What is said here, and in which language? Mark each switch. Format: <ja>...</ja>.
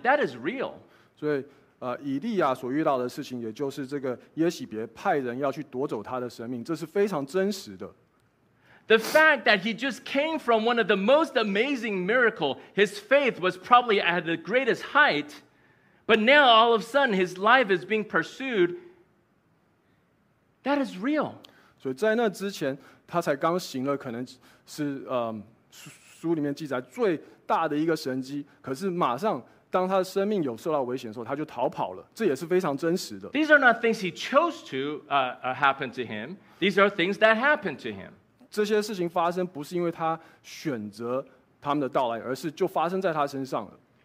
<en>That is real.</en> <zh>所以以利亚所遇到的事情，也就是这个耶洗别派人要去夺走他的生命，这是非常真实的。</zh> <en>The fact that he just came from one of the most amazing miracle, his faith was probably at the greatest height, but now all of a sudden his life is being pursued. That is real.</en> <zh>所以在那之前，他才刚行了，可能是书里面记载最大的一个神迹，可是马上当他的生命有受到危险的时候，他就逃跑了，这也是非常真实的。</zh> <en>These are not things he chose to happen to him. These are things that happened to him.</en> <zh>这些事情发生不是因为他选择他们的到来，而是就发生在他身上了。</zh>